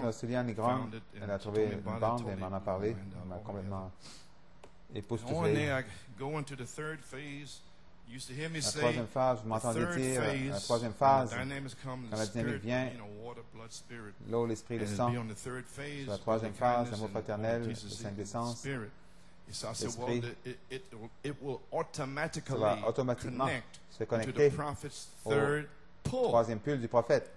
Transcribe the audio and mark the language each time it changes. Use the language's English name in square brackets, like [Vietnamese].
[French] Sister Celia Negron, elle a trouvé une bande et m'en a parlé. Elle m'a complètement époustouflé. [English] On there, I go into the third phase. You used to hear me say, [French] la troisième phase, vous m'entendez dire, la troisième phase, quand la dynamique vient, l'eau, l'esprit, le sang, sur la troisième phase, l'amour fraternel, le Saint-Descense, l'esprit, ça va automatiquement se connecter au troisième pull du prophète.